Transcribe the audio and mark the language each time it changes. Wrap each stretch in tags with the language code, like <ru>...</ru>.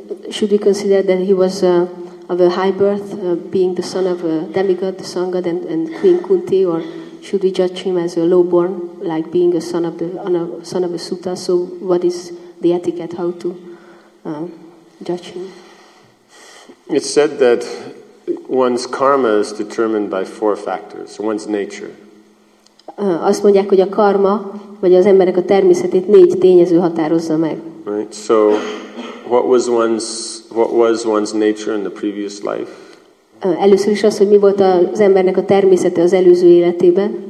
<en>Should we consider that he was of a high birth, being the son of a demigod, the sun god, and Queen Kunti, or should we judge him as a low-born, like being a son of a Suta? So what is the etiquette, how to judge him? It's said that one's karma is determined by four factors, one's nature.</en> <hu>Azt mondják, hogy a karma, vagy az emberek a természetét négy tényező határozza meg.</hu> <en>Right. So, what was one's nature in the previous life?</en> <hu>Először is az, hogy mi volt az embernek a természete az előző életében.</hu>